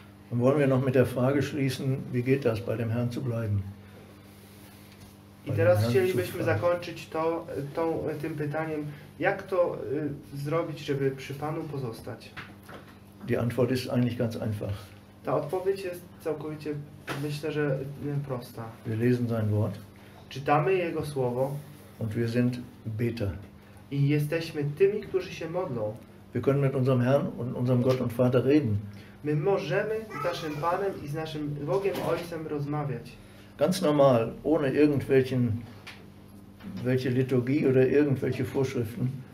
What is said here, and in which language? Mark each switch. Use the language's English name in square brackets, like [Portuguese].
[German] Und wollen wir noch mit der Frage schließen, wie geht das, bei dem Herrn zu bleiben? [Polish] I teraz chcielibyśmy zakończyć tym pytaniem, jak to zrobić, żeby przy Panu pozostać? [German] Die Antwort ist eigentlich ganz einfach. [Polish] Ta odpowiedź jest całkowicie, myślę, że prosta. [German] Wir lesen sein Wort. [Polish] Czytamy Jego Słowo. [German] Und wir sind Beter. [Polish] I jesteśmy tymi, którzy się modlą. [German] Wir können mit unserem Herrn und unserem Gott und Vater reden. [Polish] My możemy z naszym Panem i z naszym Bogiem Ojcem rozmawiać. [German] Ganz normal, ohne irgendwelche Liturgie oder irgendwelche Vorschriften.